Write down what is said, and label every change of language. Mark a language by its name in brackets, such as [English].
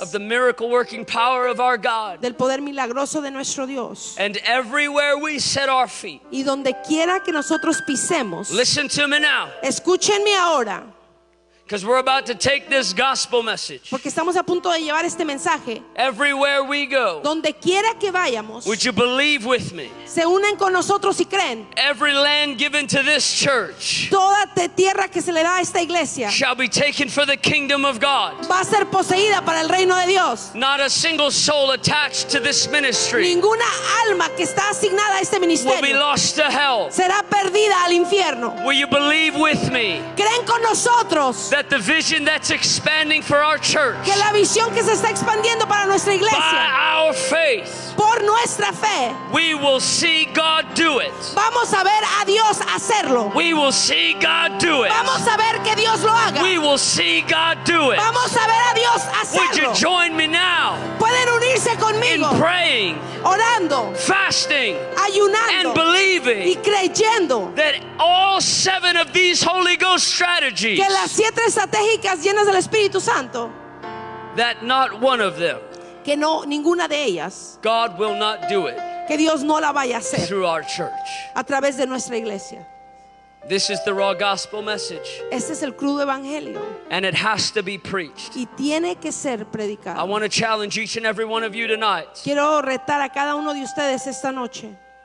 [English] of the miracle working power of our God. [Spanish] Del poder milagroso de nuestro Dios. [English] And everywhere we set our feet. [Spanish] Y donde quiera que nosotros pisemos. [English] Listen to me now. [Spanish] Escúchenme ahora. [English] Because we're about to take this gospel message. [Spanish] Porque estamos a punto de llevar este mensaje. [English] Everywhere we go. [Spanish] Donde quiera que vayamos. [English] Would you believe with me? [Spanish] Se unen con nosotros y creen. [English] Every land given to this church. [Spanish] Toda tierra que se le da a esta iglesia. [English] Shall be taken for the kingdom of God. [Spanish] Va a ser poseída para el reino de Dios. [English] Not a single soul attached to this ministry. [Spanish] Ninguna alma que está asignada a este ministerio. [English] Will be lost to hell. [Spanish] Será perdida al infierno. [English] Will you believe with me? [Spanish] Creen con nosotros. [English] That the vision that's expanding for our church. [Spanish] Que la visión que se está expandiendo para nuestra iglesia. [English] By our faith. [Spanish] Por nuestra fe. [English] We will see God do it. [Spanish] Vamos a ver a Dios hacerlo. [English] We will see God do it. [Spanish] Vamos a ver que Dios lo haga. [English] We will see God do it. [Spanish] Vamos a ver a Dios hacerlo. [English] Would you join me now? [Spanish] Pueden unirse conmigo. [English] In praying. [Spanish] Orando. [English] Fasting. [Spanish] Ayunando. [English] And believing. [Spanish] Y creyendo. [English] That all seven of these Holy Ghost strategies. [Spanish] Que las siete estratégicas llenas del Espíritu Santo. [English] That not one of them. [Spanish] Que no ninguna de ellas. [English] God will not do it. [Spanish] Que Dios no la vaya a hacer. [English] Through our church. [Spanish] A través de nuestra iglesia. [English] This is the raw gospel message. [Spanish] Este es el crudo evangelio. [English] And it has to be preached. [Spanish] Y tiene que ser predicado. [English] I want to challenge each and every one of you tonight. [Spanish] Quiero retar a cada uno de ustedes esta noche.